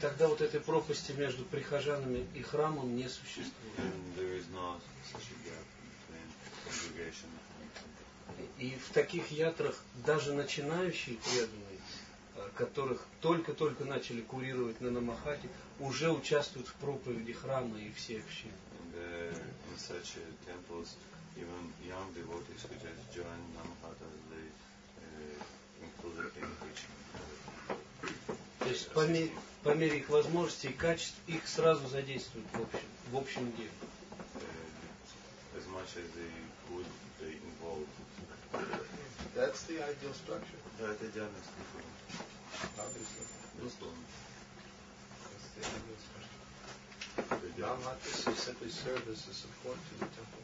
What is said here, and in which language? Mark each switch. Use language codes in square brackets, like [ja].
[ru] И тогда вот этой пропасти между прихожанами и храмом не существует. [en] And there is no such a gap between congregation and temple. [ru] И в таких ятрах даже начинающие преданные, которых только-только начали курировать на намахате, уже участвуют в проповеди храма и все общины. [en] And in such temples, even young devotees who just join Namahata, they include the preaching. [ru] То есть по мере их возможностей и качеств их сразу задействуют в общем деле. [en] As much as they could, they involved. That's the ideal structure. [ru] Да, это идеальная структура.